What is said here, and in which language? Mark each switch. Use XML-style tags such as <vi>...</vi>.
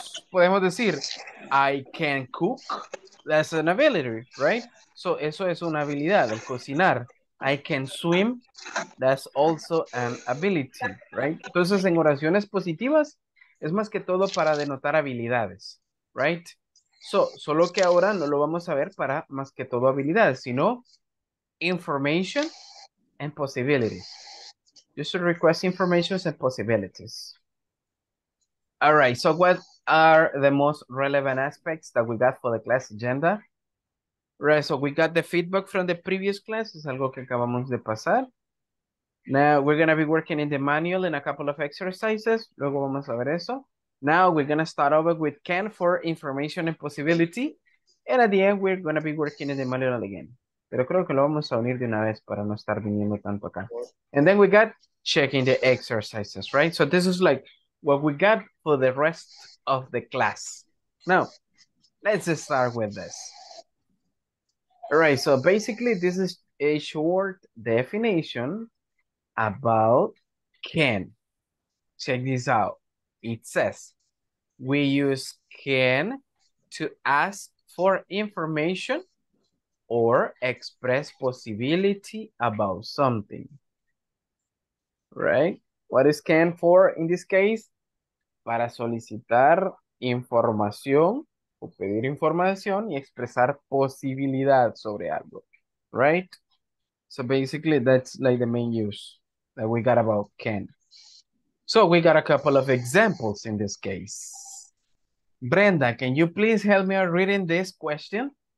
<es>Podemos decir,</es> <en>I can cook, that's an ability, right? So,</en> <es>eso es una habilidad, el cocinar.</es> <en>I can swim, that's also an ability, right?</en> <es>Entonces, en oraciones positivas, es más que todo para denotar habilidades, right? So, solo que ahora no lo vamos a ver para más que todo habilidades, sino</es> <en>information and possibilities. You should request information and possibilities. All right, so what are the most relevant aspects that we got for the class agenda? Right, so we got the feedback from the previous class.</en> <es>Es algo que acabamos de pasar.</es> <en>Now we're going to be working in the manual in a couple of exercises.</en> <es>Luego vamos a ver eso.</es> <en>Now we're going to start over with can for information and possibility. And at the end, we're going to be working in the manual again.</en> <es>Pero creo que lo vamos a unir de una vez para no estar viniendo tanto acá.</es> <en>And then we got checking the exercises, right? So this is like what we got for the rest of the class. Now, let's start with this. All right, so basically this is a short definition about can. Check this out. It says, we use can to ask for information or express possibility about something. Right? What is can for in this case?</en> <es>Para solicitar información o pedir información y expresar posibilidad sobre algo, right?</es> <en>So basically that's like the main use that we got about can. So we got a couple of examples in this case. Brenda, can you please help me reading this question?</en>